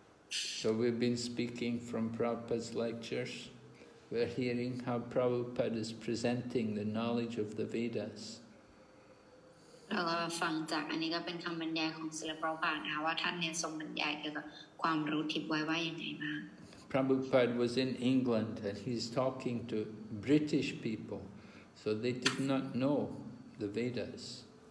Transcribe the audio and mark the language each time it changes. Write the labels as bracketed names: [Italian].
[English] So we've been speaking from Prabhupada's lectures. We're hearing how Prabhupada is presenting the knowledge of the Vedas. [Thai] เราฟังจากอันนี้ก็เป็นคำบรรยายของศิลปะพระนะว่าท่านเนี่ยทรงบรรยายเกี่ยวกับความรู้ทิพย์ไว้ว่ายังไงบ้าง [English] Prabhupada was in England and he's talking to British people, so they did not know the Vedas.